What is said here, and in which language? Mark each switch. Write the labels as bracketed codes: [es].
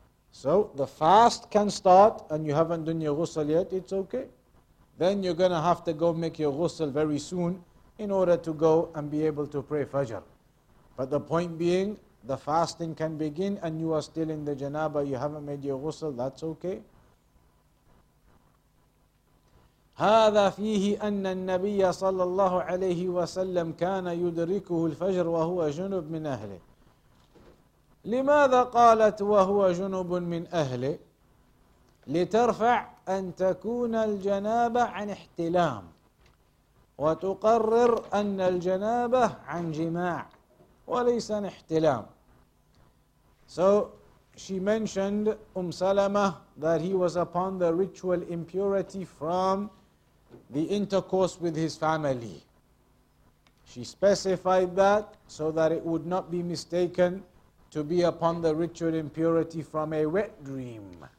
[en] So the fast can start and you haven't done your ghusl yet, it's okay. Then you're going to have to go make your ghusl very soon in order to go and be able to pray Fajr. But the point being, the fasting can begin and you are still in the janabah, you haven't made your ghusl, that's okay. [ar] هذا فيه أن النبي صلى الله عليه وسلم كان يدركه الفجر وهو جنب من أهله. لماذا قالت وهو جنب من أهله؟ لترفع أن تكون الجنابة عن احتلام وتقرر أن الجنابة عن جماع وليس عن احتلام. [en] So she mentioned Salama that he was upon the ritual impurity from the intercourse with his family. She specified that so that it would not be mistaken to be upon the ritual impurity from a wet dream.